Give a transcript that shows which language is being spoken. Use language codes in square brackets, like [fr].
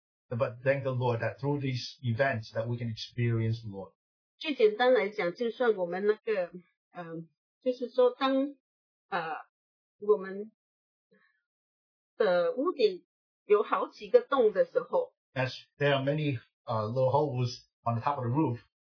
[en] but thank the Lord that through these events that we can experience the Lord. [zh] 最简单来讲,就算我们那个, 就是说当, 我们的屋顶有好几个洞的时候, [en] as there are many little holes on the top of the roof,